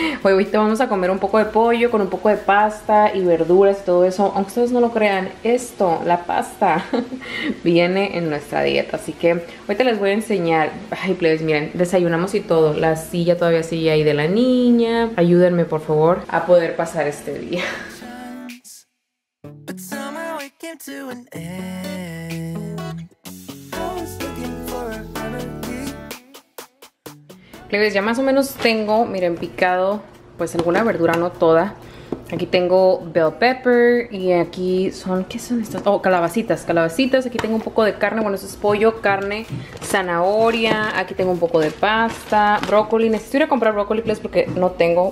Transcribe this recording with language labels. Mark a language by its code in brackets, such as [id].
[es] Hoy ahorita vamos a comer un poco de pollo con un poco de pasta y verduras y todo eso. Aunque ustedes no lo crean, esto, la pasta, viene en nuestra dieta. Así que ahorita les voy a enseñar. Ay, plebes, miren, desayunamos y todo. La silla todavía sigue ahí de la niña. Ayúdenme, por favor, a poder pasar este día. [en] But somehow it came to an end. I was looking for a remedy. [es] Plebes, ya más o menos tengo, miren, picado pues alguna verdura, no toda. Aquí tengo bell pepper y aquí son, ¿qué son estas? Oh, calabacitas, calabacitas. Aquí tengo un poco de carne, bueno, eso es pollo, carne, zanahoria. Aquí tengo un poco de pasta, brócoli. Necesito ir a comprar brócoli, please, porque no tengo.